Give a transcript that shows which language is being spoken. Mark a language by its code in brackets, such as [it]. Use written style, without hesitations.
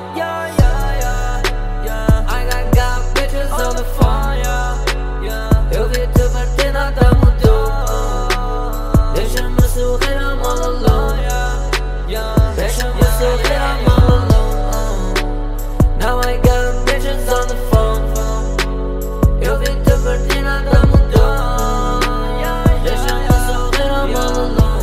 [en] Yeah, yeah, yeah, yeah. I got bitches on the fire. Yeah. [pt] Eu vi te partir, nada mudou. Deixa-me sorrir, [en] I'm all alone. Yeah, yeah. [pt] Deixa-me sorrir, [en] I'm all alone. Now I got bitches on the phone. [pt] Eu vi te partir, nada mudou. Deixa-me sorrir, [en] I'm all alone.